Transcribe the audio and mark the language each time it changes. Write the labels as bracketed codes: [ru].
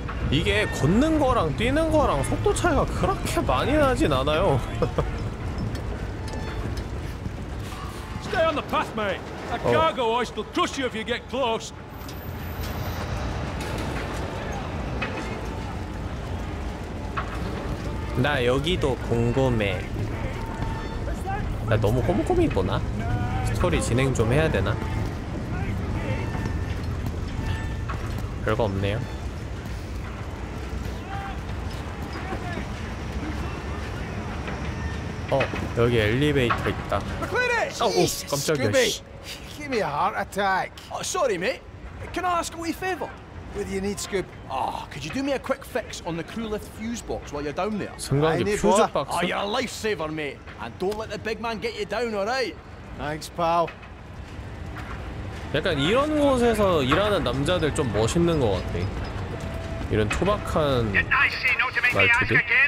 [ko] 이게 걷는 거랑 뛰는 거랑 속도 차이가 그렇게 많이 나진 않아요. [en] Stay on the path, mate. A cargo hoist will crush you if you get close. [ko] 나 여기도 궁금해. 나 너무 꼼꼼히 보나? 스토리 진행 좀 해야 되나? 별거 없네요. 어, 여기 엘리베이터 있다. 어, 깜짝이야. [en] Give me a heart attack. Oh, sorry, mate. Can I ask a wee favor? What do you need, Scoop? Oh, could you do me a quick fix on the crew lift fuse box while you're down there? [ko] 승강기 퓨즈 박스. [en] Oh, you're a lifesaver, mate. And don't let the big man get you down, alright? Thanks, pal. [ko] 약간 이런 곳에서 일하는 남자들 좀 멋있는 것 같아. 이런 투박한 말투들.